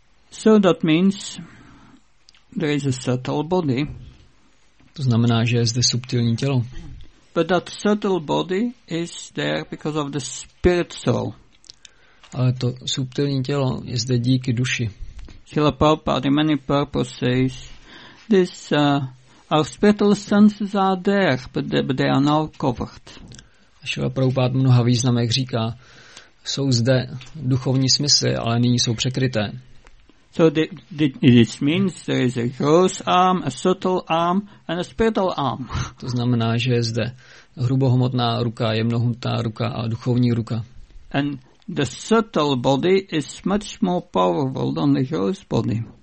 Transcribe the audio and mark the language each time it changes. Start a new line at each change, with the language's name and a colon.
English: So that means there is a subtle body.
Czech: To znamená, že je zde subtilní tělo.
English: But that subtle body is there because of the spirit soul.
Czech: Ale to subtilní tělo je zde díky duši.
English: Srila Prabhupada in many purposes this our spiritual senses are there, but they are now covered.
Czech: Srila Prabhupada mnoha významech říká, jsou zde duchovní smysly, ale nyní jsou překryté.
English: So this means there is a gross arm, a subtle arm and a spiritual arm.
Czech: To znamená, že je zde hrubohmotná ruka, jemnohmotná ruka a duchovní ruka.
English: And the subtle body is much more powerful than the gross body.